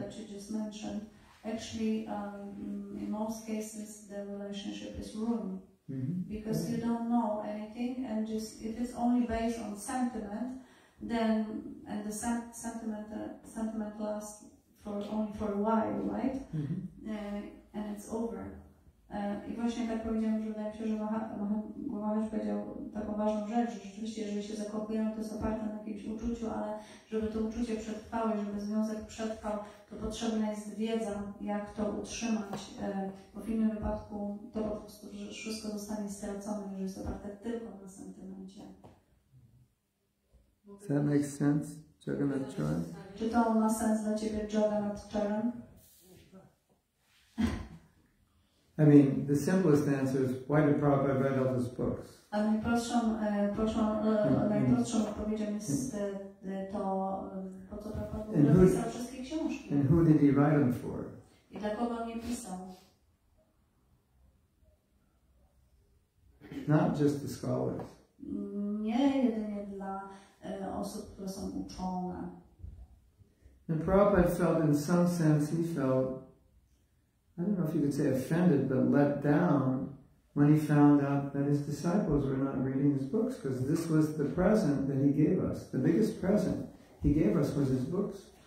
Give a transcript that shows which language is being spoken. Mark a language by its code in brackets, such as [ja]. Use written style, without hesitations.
[en] That you just mentioned, actually, in most cases, the relationship is ruined. Mm-hmm. Because right. You don't know anything, and just if it's only based on sentiment, then, and the sentiment lasts for a while, right? Mm-hmm. And it's over. [pl] I właśnie tak powiedziałem, że najpierw, że Maharaj powiedział taką ważną rzecz, że rzeczywiście, jeżeli się zakochują, to jest oparte na jakimś uczuciu, ale żeby to uczucie przetrwało i żeby związek przetrwał, to potrzebna jest wiedza, jak to utrzymać, bo w innym wypadku to po prostu, że wszystko zostanie stracone, jeżeli jest oparte tylko na sentymencie. [en] Does that make sense? Jagannath Charan? [pl] Czy to ma sens dla ciebie, Jagannath Charan? [en] I mean, the simplest answer is, why did Prabhupada write all those books? [pl] A najprostszą odpowiedzią jest to, po co Prabhupada pisał wszystkie książki. [en] And who did he write them for? [pl] I dla kogo on je pisał? [en] Not just the scholars. [pl] Nie jedynie dla osób, które są uczone. [en] And Prabhupada felt, in some sense, he felt, I don't know if you could say offended, but let down when he found out that his disciples were not reading his books, because this was the present that he gave us. The biggest present he gave us was his books.